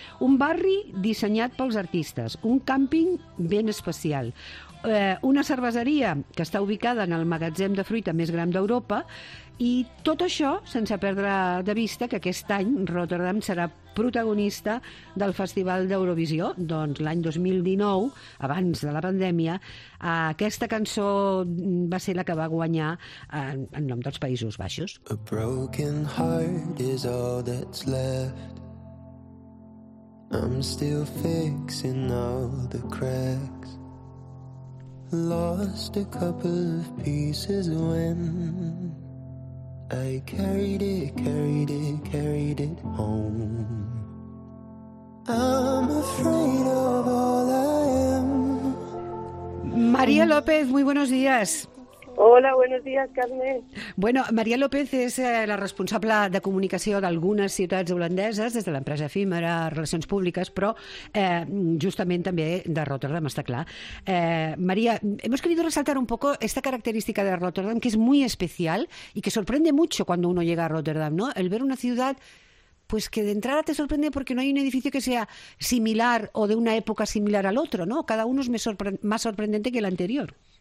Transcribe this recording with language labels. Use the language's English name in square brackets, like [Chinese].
[Catalan] Un barri dissenyat pels artistes, un càmping ben especial, una cerveseria que està ubicada en el magatzem de fruita més gran d'Europa i tot això sense perdre de vista que aquest any Rotterdam serà protagonista del Festival d'Eurovisió. Doncs l'any 2019, abans de la pandèmia, aquesta cançó va ser la que va guanyar en nom dels Països Baixos. [English] A broken heart is all that's left. I'm still fixing all the cracks. Lost a couple of pieces when I carried it home. I'm afraid of all I am. [Spanish] María López, muy buenos días. Hola, buenos días, Carmen. [Catalan] Bueno, María López es la responsable de comunicació d'algunes ciutats holandeses des de l'empresa Efímera Relacions Públiques, però justament també de Rotterdam, està clar. [Spanish] María, hemos querido resaltar un poco esta característica de Rotterdam que es muy especial y que sorprende mucho cuando uno llega a Rotterdam, ¿no? El ver una ciudad pues que de entrada te sorprende porque no hay un edificio que sea similar o de una época similar al otro, ¿no? Cada uno es más sorprendente que el anterior.